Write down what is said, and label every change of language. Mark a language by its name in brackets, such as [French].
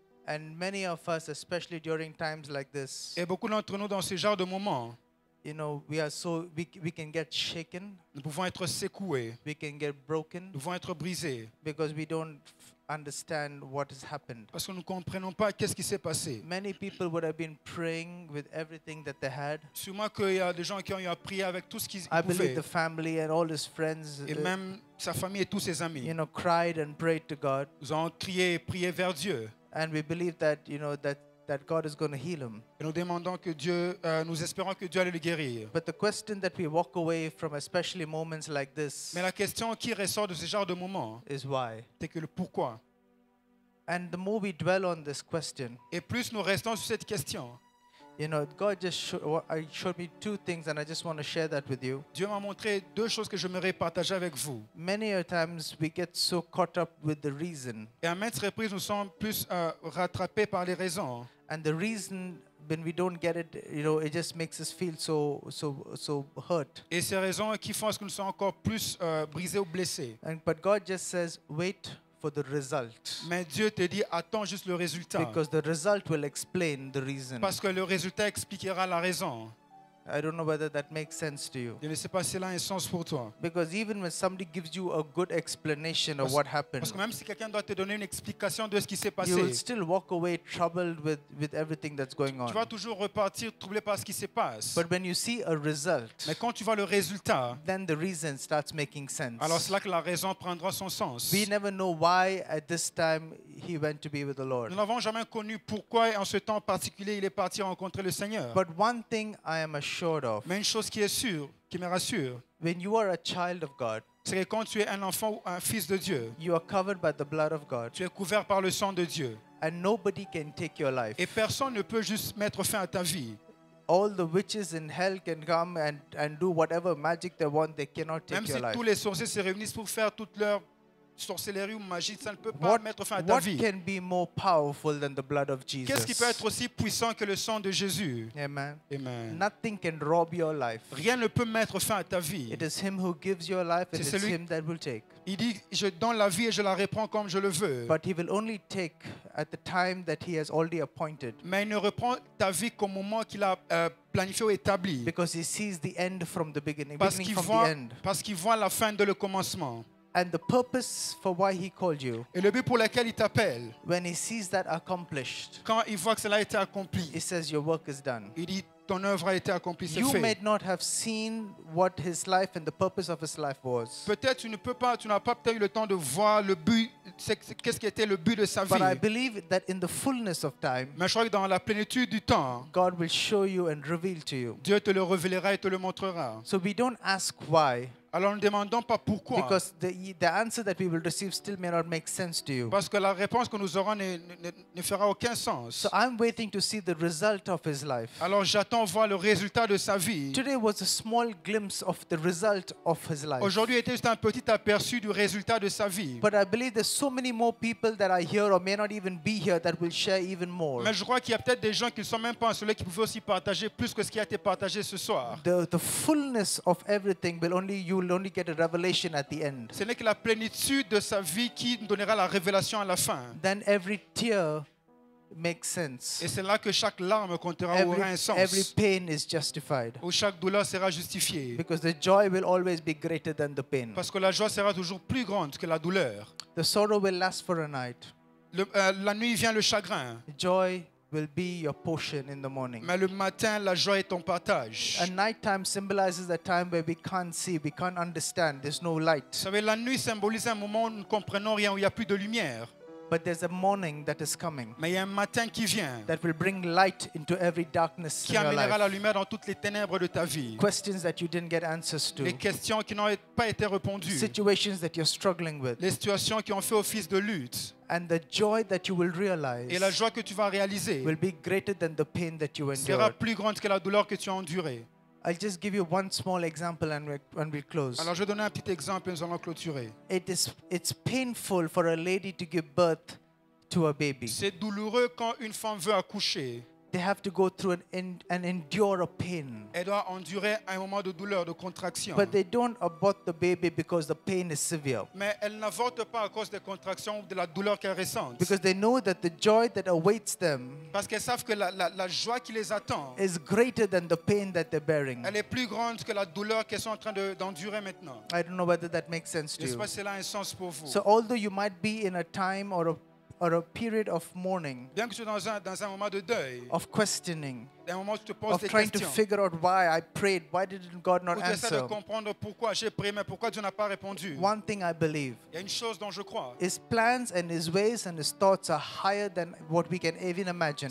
[English] And many of us, especially during times like this. [French] Et beaucoup d'entre nous dans ce genre de moment. [English] You know, we can get shaken. [French] Nous pouvons être secoués. [English] We can get broken. [French] Nous pouvons être brisés. [English] Because we don't understand what has happened. [French] Parce que nous ne comprenons pas qu'est-ce qui s'est passé. [English] Many people would have been praying with everything that they had. [French] Sûrement qu'il y a des gens qui ont eu à prier avec tout ce qu'ils pouvaient. [English] I believe the family and all his friends. [French] Et même sa famille et tous ses amis. [English] You know, cried and prayed to God. [French] Ils ont crié et prié vers Dieu. [English] And we believe that, you know, that God is going to heal him. [French] Et nous demandons que Dieu, nous espérons que Dieu allait le guérir. [English] But the question that we walk away from, especially moments like this. [French] Mais la question qui ressort de ce genre de moments. [English] Is why. [French] C'est que le pourquoi. [English] And the more we dwell on this question. [French] Et plus nous restons sur cette question. [English] You know, God just showed me two things, and I just want to share that with you. [French] Dieu m'a montré deux choses que j'aimerais partager avec vous. [English] Many a times we get so caught up with the reason. [French] Et à maintes reprises, nous sommes plus rattrapés par les raisons. [English] And the reason, when we don't get it, you know, it just makes us feel so hurt. [French] Et ces raisons qui font que nous sommes encore plus brisés ou blessés. [English] But God just says, wait for the result. [French] Mais Dieu te dit attends juste le résultat. [English] Because the result will explain the reason. [French] Parce que le résultat expliquera la raison. [English] I don't know whether that makes sense to you. [French] Je ne sais pas si cela a un sens pour toi. [English] Because even when somebody gives you a good explanation of what happened. [French] Parce que même si quelqu'un doit te donner une explication de ce qui s'est passé. [English] You will still walk away troubled with everything that's going on. [French] Tu vas toujours repartir troublé par ce qui se passe. [English] But when you see a result. [French] Mais quand tu vois le résultat. [English] Then the reason starts making sense. [French] Alors c'est là que la raison prendra son sens. [English] We never know why at this time he went to be with the Lord. [French] Nous n'avons jamais connu pourquoi en ce temps particulier il est parti rencontrer le Seigneur. [English] But one thing I am assured. [French] Mais une chose qui est sûre, qui me rassure, [English] when you are a child of God, [French] c'est que quand tu es un enfant ou un fils de Dieu, [English] you are covered by the blood of God, [French] tu es couvert par le sang de Dieu, [English] and nobody can take your life. [French] Et personne ne peut juste mettre fin à ta vie. [English] All the witches in hell can come and do whatever magic they want, they cannot take [French] même [English] your [French] si [English] life. [French] Même si tous les sorciers se réunissent pour faire toutes leurs sorcellerie ou magie, ça ne peut pas mettre fin à ta vie. [English] What can be more powerful than the blood of Jesus? [French] Qu'est-ce qui peut être aussi puissant que le sang de Jésus? [English] Amen. [French] Amen. [English] Nothing can rob your life. [French] Rien ne peut mettre fin à ta vie. [English] It is him who gives your life, and [French] c'est [English] him that will take. [French] Il dit, je donne la vie et je la reprends comme je le veux. [English] But he will only take at the time that he has already appointed. [French] Mais il ne reprend ta vie qu'au moment qu'il a planifié ou établi. [English] Because he sees the end from the beginning. [French] Parce qu'il voit la fin de le commencement. [English] And the purpose for why he called you. [French] Et le but pour lequel il t'appelle. [English] When he sees that accomplished. [French] Quand il voit que cela a été accompli. [English] He says your work is done. [French] Il dit, ton œuvre a été accomplie, c'est [English] you [French] fait. [English] May not have seen what his life and the purpose of his life was. [French] Peut-être tu ne peux pas, tu n'as pas peut-être eu le temps de voir le but, qu'est-ce qui était le but de sa [English] but [French] vie. [English] But I believe that in the fullness of time. [French] Mais je crois que dans la plénitude du temps. [English] God will show you and reveal to you. [French] Dieu te le révélera et te le montrera. [English] So we don't ask why. [French] Alors ne demandons pas pourquoi. [English] Because the answer that we will receive still may not make sense to you. [French] Parce que la réponse que nous aurons ne fera aucun sens. [English] So I'm waiting to see the result of his life. [French] Alors j'attends voir le résultat de sa vie. [English] Today was a small glimpse of the result of his life. [French] Aujourd'hui était juste un petit aperçu du résultat de sa vie. [English] But I believe there's so many more people that are here or may not even be here that will share even more. [French] Mais je crois qu'il y a peut-être des gens qui ne sont même pas en cela qui peuvent aussi partager plus que ce qui a été partagé ce soir. [English] The fullness of everything will only you. Will only get a revelation at the end. [French] Ce n'est que la plénitude de sa vie qui nous donnera la révélation à la fin. [English] Then every tear makes sense. [French] Et c'est là que chaque larme comptera ou aura un sens. [English] Every pain is justified. [French] Où chaque douleur sera justifiée. [English] Because the joy will always be greater than the pain. [French] Parce que la joie sera toujours plus grande que la douleur. [English] The sorrow will last for a night. [French] La nuit vient le chagrin. [English] Joy will be your portion in the morning. [French] Mais le matin, la joie est ton partage. [English] A night time symbolizes a time where we can't see, we can't understand, there's no light. [French] Vous savez, la nuit symbolise un moment où nous ne comprenons rien, où il n'y a plus de lumière. [English] But there's a morning that is coming. [French] Mais il y a un matin qui vient. [English] That will bring light into every darkness in your life. [French] Qui amènera la lumière dans toutes les ténèbres de ta vie. [English] Questions that you didn't get answers to. [French] Les questions qui n'ont pas été répondues. [English] Situations that you're struggling with. [French] Les situations qui ont fait office de lutte. [English] And the joy that you will realize. [French] Et la joie que tu vas réaliser. [English] Will be greater than the pain that you endured. [French] Sera plus grande que la douleur que tu as endurée. [English] I'll just give you one small example and we'll close. [French] Alors je vais donner un petit exemple et nous allons clôturer. [English] It's painful for a lady to give birth to a baby. [French] C'est douloureux quand une femme veut accoucher. [English] They have to go through and endure a pain. [French] Elle doit endurer un moment de douleur, de contraction. [English] But they don't abort the baby because the pain is severe. [French] Mais elle n'avorte pas à cause des contractions ou de la douleur qu'elle ressent. [English] Because they know that the joy that awaits them. [French] Parce qu'elles savent que la joie qui les attend. [English] Is greater than the pain that they're bearing. [French] Elle est plus grande que la douleur qu'elles sont en train d'endurer maintenant. [English] I don't know whether that makes sense to you. [French] J'espère que cela a un sens pour vous. [English] So although you might be in a time or a period of mourning, [French] bien que tu sois dans un moment de deuil, [English] of questioning, [French] un moment où tu te poses des questions, [English] of trying to figure out why I prayed, why didn't God not answer? [French] Où tu essaies de comprendre pourquoi j'ai prié mais pourquoi Dieu n'a pas répondu. [English] One thing I believe, [French] il y a une chose dont je crois, [English] His plans and His ways and His thoughts are higher than what we can even imagine.